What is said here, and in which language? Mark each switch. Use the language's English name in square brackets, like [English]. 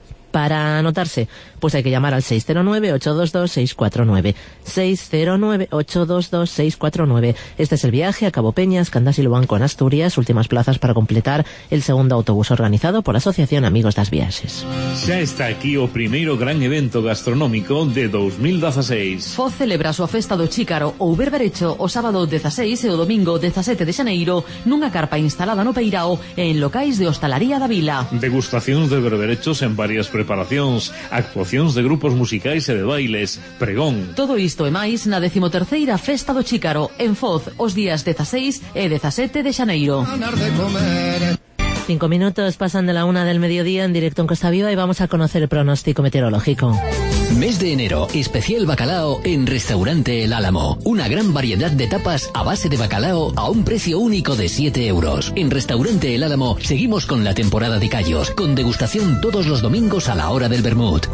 [Spanish] Para anotarse, pues hay que llamar al 609-822-649. 609-822-649. Este es el viaje a Cabo Peñas, Candás y Luanco en Asturias. Últimas plazas para completar el segundo autobús organizado por la Asociación Amigos das Viaxes. Ya está aquí [Galician] o primeiro gran evento gastronómico de 2016. Foz celebra súa festa do Chícaro ou Berberecho o sábado 16 e o domingo 17 de xaneiro nunha carpa instalada no Peirao e en locais de hostalaría da vila. Degustacións de berberechos en varias preparacións, actuacións de grupos musicais e de bailes, pregón. Todo isto e máis na 13ª Festa do Chícaro, en Foz, os días 16 e 17 de xaneiro. [Spanish] 5 minutos pasan de la 1 del mediodía en directo en Costa Viva y vamos a conocer el pronóstico meteorológico. Mes de enero, especial bacalao en Restaurante El Álamo. Una gran variedad de tapas a base de bacalao a un precio único de 7 euros. En Restaurante El Álamo seguimos con la temporada de callos, con degustación todos los domingos a la hora del vermut.